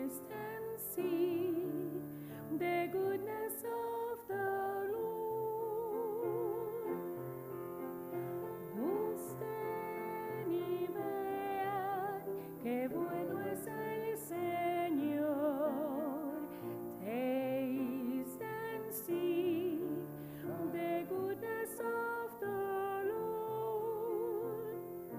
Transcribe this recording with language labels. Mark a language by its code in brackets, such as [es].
[en] Taste and see the goodness of the Lord. [es] Gusten y vean qué bueno es el Señor. [en] Taste and see the goodness of the Lord.